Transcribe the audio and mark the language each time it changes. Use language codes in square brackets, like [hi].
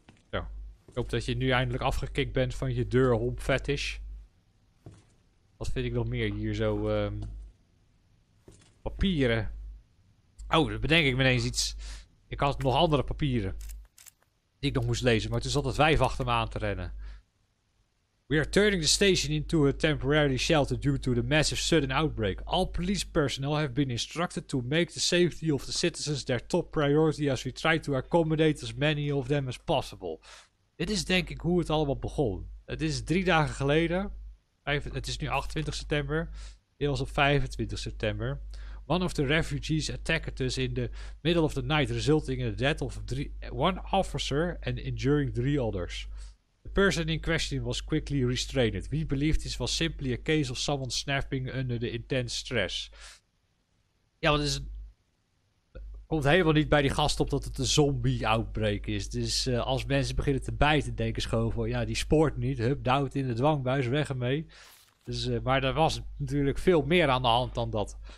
[nl] Zo. Ik hoop dat je nu eindelijk afgekikt bent van je deurhomp fetish. Wat vind ik nog meer hier zo? Papieren. Oh, dan bedenk ik me ineens iets. Ik had nog andere papieren. Die ik nog moest lezen, maar toen zat het wijf achter me aan te rennen. [en] We are turning the station into a temporary shelter due to the massive sudden outbreak. All police personnel have been instructed to make the safety of the citizens their top priority as we try to accommodate as many of them as possible. [nl] Dit is denk ik hoe het allemaal begon. Het is 3 dagen geleden. Het is nu 28 september. Dit was op 25 september. [en] One of the refugees attacked us in the middle of the night, resulting in the death of one officer and injuring 3 others. The person in question was quickly restrained. We believe this was simply a case of someone snapping under the intense stress. [nl] Ja, wat is het? Komt helemaal niet bij die gast op dat het een zombie-outbreak is. Dus als mensen beginnen te bijten, denken ze gewoon van, ja, die spoort niet. Hup, duwt in de dwangbuis, weg ermee. Dus, maar er was natuurlijk veel meer aan de hand dan dat.